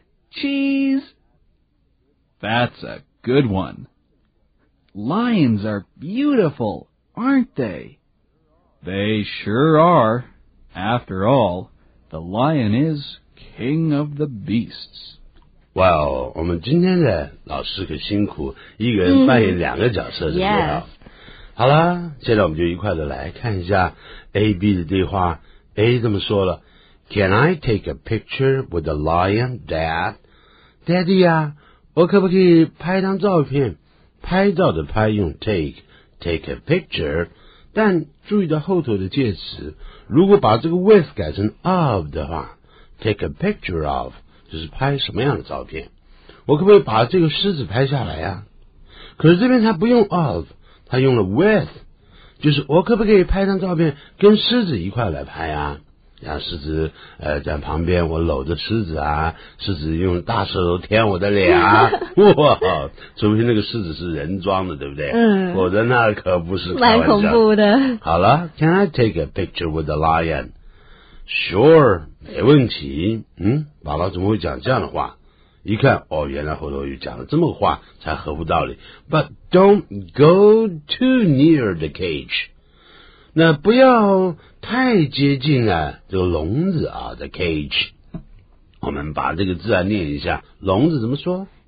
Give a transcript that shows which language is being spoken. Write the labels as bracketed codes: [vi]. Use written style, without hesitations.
[en] Cheese. That's a good one. Lions are beautiful, aren't they? They sure are. After all, the lion is king of the beasts. [zh] 哇、wow, 我们今天的老师可辛苦，一个人扮演两个角色，是不是？好啦，现在我们就一块的来看一下 AB 的对话。 [en] A [zh] 这么说了 [en] ,Can I take a picture with the lion, Dad? [zh] Daddy 啊，我可不可以拍一张照片？拍照的拍用 [en] take a picture, [zh] 但注意到后头的介词，如果把这个 with 改成 of 的话， [en] take a picture of, [zh] 就是拍什么样的照片，我可不可以把这个狮子拍下来啊？可是这边他不用 of， 他用了 with， 就是我可不可以拍张照片跟狮子一块来拍啊，让狮子在旁边，我搂着狮子啊，狮子用大舌头舔我的脸啊，哇，除非那个狮子是人装的，对不对？嗯，否则那可不是开玩笑，蛮恐怖的。 [en] 好了， Can I take a picture with the lion？ Sure, [zh] 没问题。嗯，爸爸怎么会讲这样的话？一看，哦，原来后头又讲了这么个话，才合乎道理。 [en] But don't go too near the cage. [zh] 那不要太接近了，这个笼子啊 , [en] the cage. [zh] 我们把这个字啊念一下，笼子怎么说